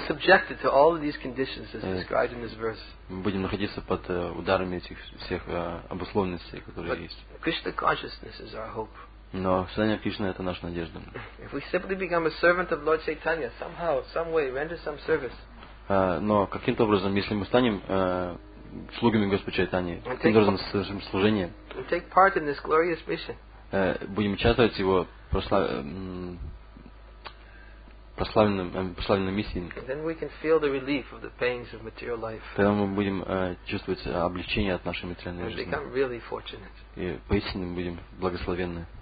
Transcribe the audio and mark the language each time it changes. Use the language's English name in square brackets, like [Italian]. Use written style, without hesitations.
[English] Subjected to all of these conditions as described in this verse. [Russian] Мы будем находиться под ударами этих всех обусловленностей, которые есть. [English] Krishna consciousness is our hope. [Russian] Но сознание Кришны — это наша надежда. [English] If we simply become a servant of Lord Chaitanya, somehow, some way, render some service. [Russian] Но каким-то образом, если мы станем слугами Господа Чайтани, каким образом совершим служение, [English] take part in this glorious mission. [Russian] Будем участвовать в его прославленной миссии, [English] then we can feel the relief of the pains of material life. [Russian] Тогда мы будем чувствовать облегчение от нашей материальной жизни. [English] We become really fortunate. [Russian] И поистине мы будем благословенны.